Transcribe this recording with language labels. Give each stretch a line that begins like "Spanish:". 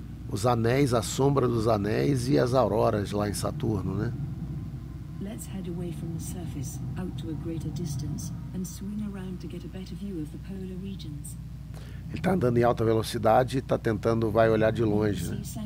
Portuguese: Os anéis, a sombra dos anéis e as auroras lá em Saturno, né?
English: Let's head away from the surface, out to a greater distance, and swing around to get a better view of the polar regions.
Portuguese: Ele está andando em alta velocidade e está tentando, vai olhar de longe, né?